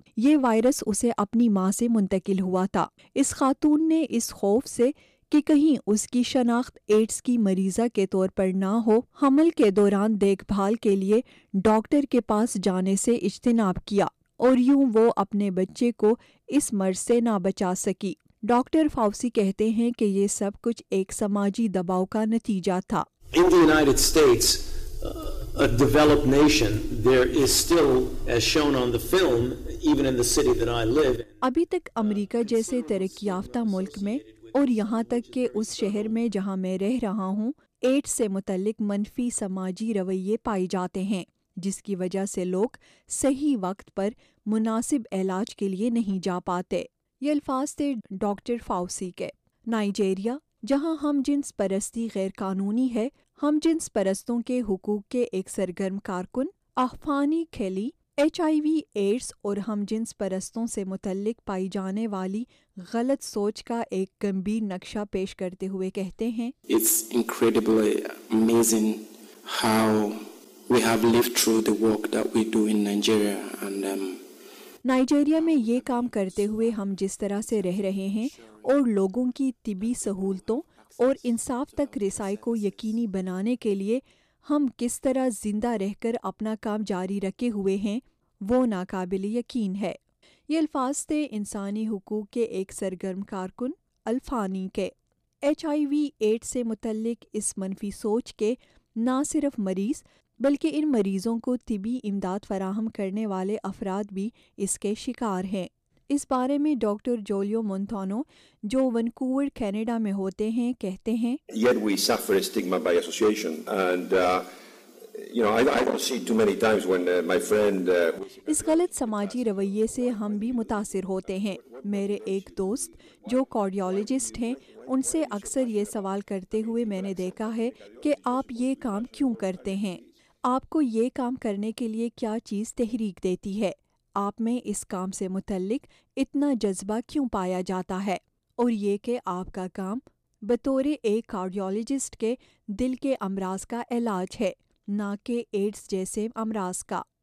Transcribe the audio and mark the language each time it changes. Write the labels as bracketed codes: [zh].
[ur] یہ وائرس اسے اپنی ماں سے منتقل ہوا تھا. اس خاتون نے اس خوف سے کہ کہیں اس کی شناخت ایڈز کی مریضہ کے طور پر نہ ہو, حمل کے دوران دیکھ بھال کے لیے ڈاکٹر کے پاس جانے سے اجتناب کیا, اور یوں وہ اپنے بچے کو اس مرض سے نہ بچا سکی. ڈاکٹر فاوسی کہتے ہیں کہ یہ سب کچھ ایک سماجی دباؤ کا نتیجہ تھا. [en] In the United States, a developed nation, there is still, as shown on the film, even in the city that I live, [ur] ابھی تک امریکہ جیسے ترقی یافتہ ملک میں, اور یہاں تک کہ اس شہر میں جہاں میں رہ رہا ہوں, ایڈز سے متعلق منفی سماجی رویے پائے جاتے ہیں, جس کی وجہ سے لوگ صحیح وقت پر مناسب علاج کے لیے نہیں جا پاتے. یہ الفاظ تھے ڈاکٹر فاوسی کے. نائجیریا, جہاں ہم جنس پرستی غیر قانونی ہے, ہم جنس پرستوں کے حقوق کے ایک سرگرم کارکن آفانی کھیلی ایچ آئی وی ایڈس اور ہم جنس پرستوں سے متعلق پائی جانے والی غلط سوچ کا ایک گمبھیر نقشہ پیش کرتے ہوئے کہتے ہیں, [en] It's incredibly amazing how we have lived through the work that we do in Nigeria and [ur] Nigeria میں یہ کام کرتے ہوئے ہم جس طرح سے رہ رہے ہیں اور لوگوں کی طبی سہولتوں اور انصاف تک رسائی کو یقینی بنانے کے لیے ہم کس طرح زندہ رہ کر اپنا کام جاری رکھے ہوئے ہیں وہ ناقابل یقین ہے. یہ الفاظ تھے انسانی حقوق کے ایک سرگرم کارکن الفانی کے. ایچ آئی وی ایڈ سے متعلق اس منفی سوچ کے نہ صرف مریض بلکہ ان مریضوں کو طبی امداد فراہم کرنے والے افراد بھی اس کے شکار ہیں. اس بارے میں ڈاکٹر جولیو مونتانو جو ونکوور کینیڈا میں ہوتے ہیں کہتے ہیں, [en] Yet we suffer a stigma by association and I don't see too many times when my friend [ur] اس غلط سماجی رویے سے ہم بھی متاثر ہوتے ہیں. میرے ایک دوست جو کارڈیولوجسٹ ہیں ان سے اکثر یہ سوال کرتے ہوئے میں نے دیکھا ہے کہ آپ یہ کام کیوں کرتے ہیں, آپ کو یہ کام کرنے کے لیے کیا چیز تحریک دیتی ہے, آپ میں اس کام سے متعلق اتنا جذبہ کیوں پایا جاتا ہے, اور یہ کہ آپ کا کام بطور ایک کارڈیولوجسٹ کے دل کے امراض کا علاج ہے نہ کہ ایڈز جیسے امراض کا.